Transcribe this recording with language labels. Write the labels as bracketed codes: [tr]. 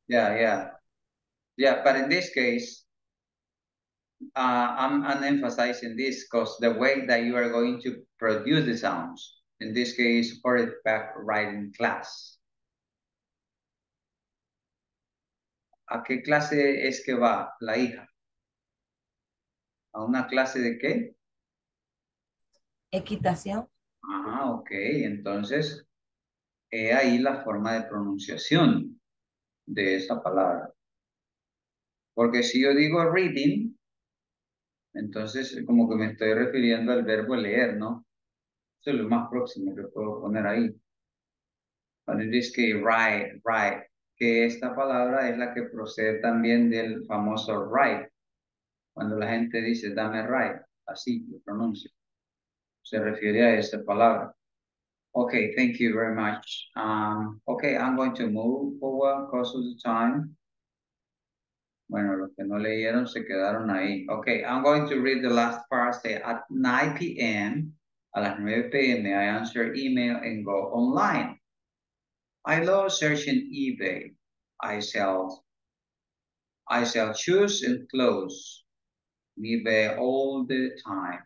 [en] Yeah, but in this case, I'm emphasizing this because the way that you are going to produce the sounds, in this case, horseback riding class. [es] ¿A qué clase es que va la hija? ¿A una clase de qué? Equitación. Ah, ok, entonces, he ahí la forma de pronunciación de esa palabra. Porque si yo digo reading, entonces como que me estoy refiriendo al verbo leer, ¿no? Eso es lo más próximo que puedo poner ahí. Cuando dice que write, que esta palabra es la que procede también del famoso write. Cuando la gente dice dame write, así lo pronuncio. Se refiere a esa palabra. [en] Okay, thank you very much. Okay, I'm going to move forward because of the time. [es] Bueno, los que no leyeron se quedaron ahí. [en] Okay, I'm going to read the last part. Say, at 9 p.m., [es] a las 9 p.m., [en] I answer email and go online. I love searching eBay. I sell shoes and clothes on eBay all the time.